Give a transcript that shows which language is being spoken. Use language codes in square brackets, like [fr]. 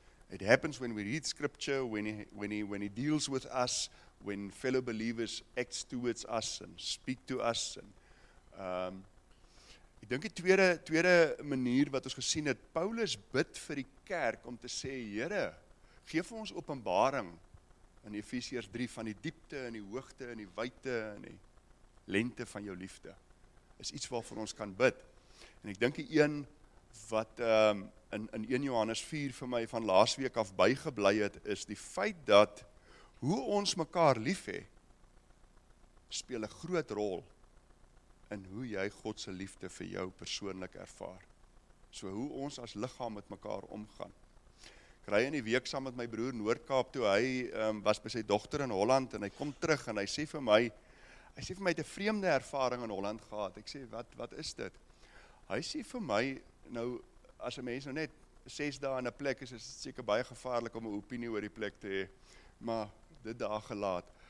[en] It happens when we read scripture, when he deals with us, when fellow believers act towards us and speak to us. [af] Ek dink die tweede manier wat ons gesien het, Paulus bid vir die kerk om te sê, Here, geef ons openbaring in Efesiërs 3 van die diepte en die hoogte en die wyte en die lengte van jou liefde. Is iets waarvoor ons kan bid. En ek dink die een wat in 1 Johannes 4 vir my van laasweek af bygebly het, is die feit dat hoe ons mekaar lief hê, speel 'n groot rol in hoe jy God se liefde vir jou persoonlik ervaar. So hoe ons as liggaam met mekaar omgaan. Ek ry in die week saam met my broer Noord-Kaap toe, hy was by sy dogter in Holland, en hy kom terug en hy sê vir my het 'n vreemde ervaring in Holland gehad. Ek sê, wat is dit? Hy sê vir my, nou, as 'n mens nou net 6 dae in 'n plek is, is dit seker baie gevaarlik om 'n opinie oor die plek te hê, maar dit daar gelaat.